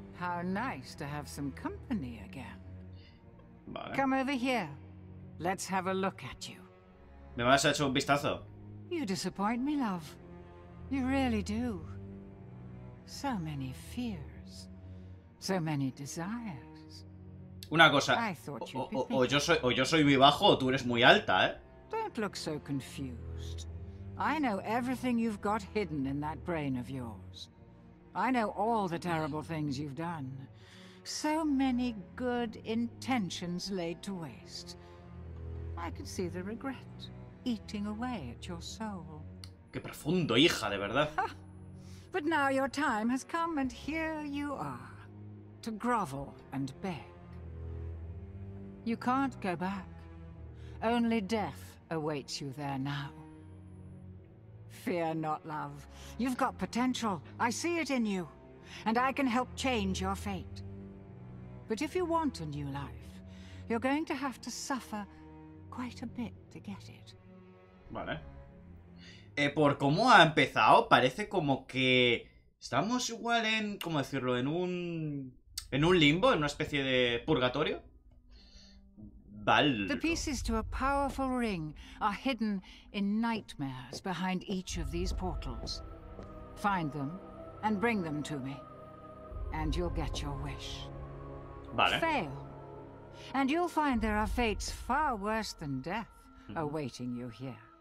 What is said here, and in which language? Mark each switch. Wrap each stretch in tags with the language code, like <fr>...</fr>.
<en>How nice to have some company again.</en> <es>Vale.</es> <en>Come over here. Let's have a look at you.</en> <es>¿Me vas a echar un vistazo?</es> <en>You disappoint me, love. You really do. So many fears. So many desires.</en> <es>Una cosa. O yo soy muy bajo o tú eres muy alta, ¿eh?</es> <en>Don't look so confused. I know everything you've got hidden in that brain of yours. I know all the terrible things you've done. So many good intentions laid to waste. I could see the regret eating away at your soul.</en> <es>Qué profundo, hija, de verdad.</es> <en>But now your time has come and here you are to grovel and beg. You can't go back. Only death awaits you there now. Fear not, love. You've got potential. I see it in you. And I can help change your fate. But if you want a new life, you're going to have to suffer quite a bit to get it.</en> <es>Vale. Por cómo ha empezado, parece como que estamos igual en, ¿cómo decirlo? En un limbo, en una especie de purgatorio.</es> <en>The pieces to a powerful ring are hidden in nightmares behind each of these portals. Find them and bring them to me, and you'll get your wish.</en> <es>Vale.</es> <en>Fail, and you'll find there are fates far worse than death awaiting you here.</en>